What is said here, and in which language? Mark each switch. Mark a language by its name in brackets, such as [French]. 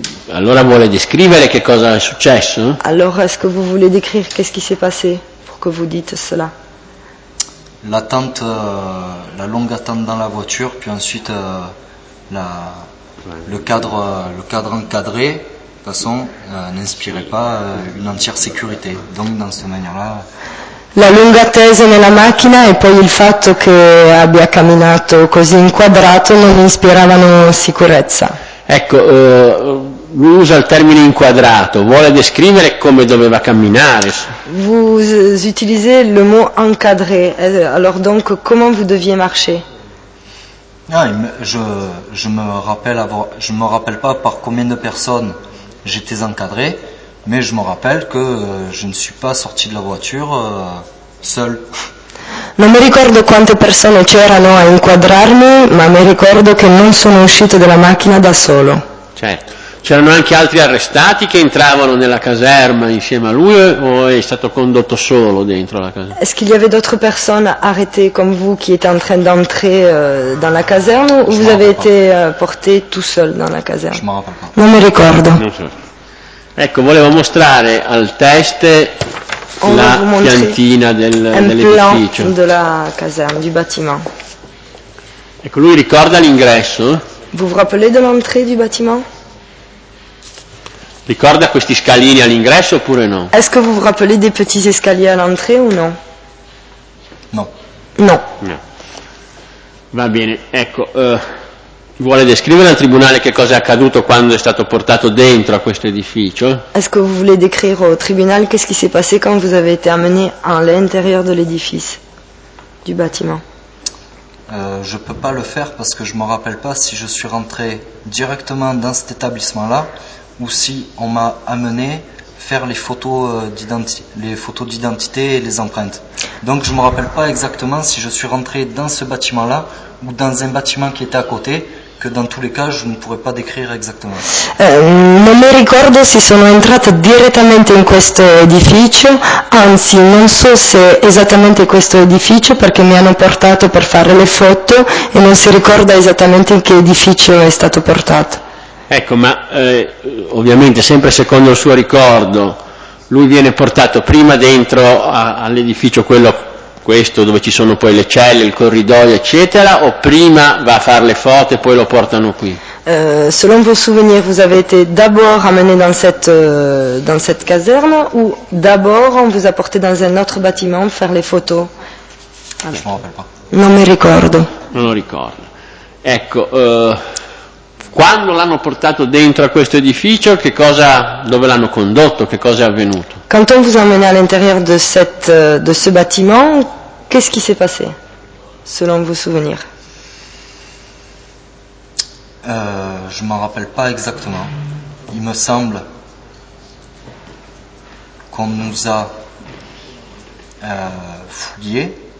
[Italian] Allora vuole descrivere che cosa è successo? [French] Allora, est-ce que vous voulez décrire qu'est-ce qui s'est passé pour que vous dites cela? L'attente, la longue attente dans la voiture, puis ensuite le cadre encadré, de toute façon, n'inspirait pas une entière sécurité. Donc, dans cette manière-là. [Italian] La lunga attesa nella macchina e poi il fatto che abbia camminato così inquadrato non ispiravano sicurezza. Ecco, lui usa il termine inquadrato, vuole descrivere come doveva camminare. [French] Vous utilisez le mot encadré, alors donc comment vous deviez marcher? Ah, je me rappelle pas par combien de personnes j'étais encadré. Mais je me rappelle que je ne suis pas sorti de la voiture seul. [Italian] Non mi ricordo quante persone c'erano a inquadrarmi, ma mi ricordo che non sono uscito dalla macchina da solo. Certo. C'erano anche altri arrestati che entravano nella caserma insieme a lui o è stato condotto solo dentro la caserma? [French] Est-ce qu'il y avait d'autres personnes arrêtées comme vous qui étaient en train d'entrer dans la caserne ou vous avez été porté tout seul dans la caserne? Je m'en rappelle pas. [Italian] Non mi ricordo. Non so. Ecco, volevo mostrare al test la piantina dell'edificio. [French] Un plan [Italian] della [French] caserne, du bâtiment. [Italian] Ecco, lui ricorda l'ingresso. [French] Vous vous rappelez de l'entrée du bâtiment? [Italian] Ricorda questi scalini all'ingresso oppure no? [French] Est-ce que vous vous rappelez des petits escaliers à l'entrée ou non? Non. [Italian] Non. No. Va bene, ecco. Vuole descrivere al tribunale che cosa è accaduto quando è stato portato dentro a questo edificio? [French] Est-ce que vous voulez décrire au tribunal qu'est-ce qui s'est passé quand vous avez été amené à l'intérieur de l'édifice du bâtiment? Je peux pas le faire parce que je me rappelle pas si je suis rentré directement dans cet établissement-là ou si on m'a amené faire les photos d'identité, les photos d'identité et les empreintes. Donc je me rappelle pas exactement si je suis rentré dans ce bâtiment-là ou dans un bâtiment qui était à côté. [Italian] Che in tutti i casi non potrei [French] pas [Italian] descrivere esattamente. Non mi ricordo se sono entrata direttamente in questo edificio, anzi non so se esattamente questo edificio perché mi hanno portato per fare le foto e non si ricorda esattamente in che edificio è stato portato. Ecco, ma ovviamente sempre secondo il suo ricordo, lui viene portato prima dentro all'edificio quello questo dove ci sono poi le celle, il corridoio, eccetera, o prima va a fare le foto e poi lo portano qui? [French] Selon vos souvenirs, vous avez été d'abord amené dans cette caserne ou d'abord on vous a porté dans un autre bâtiment faire les photos? [Italian] Allora. Non mi ricordo. Non lo ricordo. Ecco, quando l'hanno portato dentro a questo edificio, che cosa, dove l'hanno condotto, che cosa è avvenuto? [French] Quand on vous a emmené à l'intérieur de cette de ce bâtiment, qu'est-ce qui s'est passé, selon vos souvenirs? Je m'en rappelle pas exactement. Il me semble qu'on nous a fouillé.